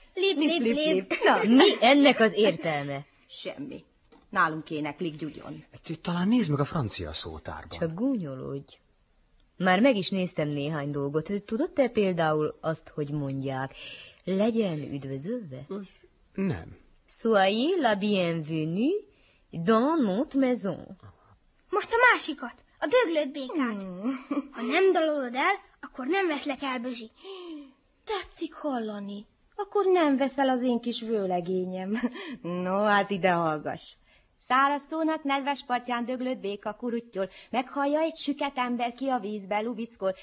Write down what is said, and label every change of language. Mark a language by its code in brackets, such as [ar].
[hu] Lip-lip-lip. Na, mi ennek az értelme? Semmi. Nálunk éneklik gyugyon. Talán nézd meg a francia szótárban. Csak gúnyolódj. Már meg is néztem néhány dolgot. Tudod te például azt, hogy mondják? Legyen üdvözölve? Nem. [fr] Soyez la bienvenue dans notre maison. [hu] Most a másikat, a döglött békát. Ha nem dalolod el, akkor nem veszlek el, Bözsi. Tetszik hallani. Akkor nem veszel az én kis vőlegényem. No, hát ide hallgass. Szárasztónak nedves partján döglött béka kuruttyol, meghallja egy süket ember ki a vízbe lubickol.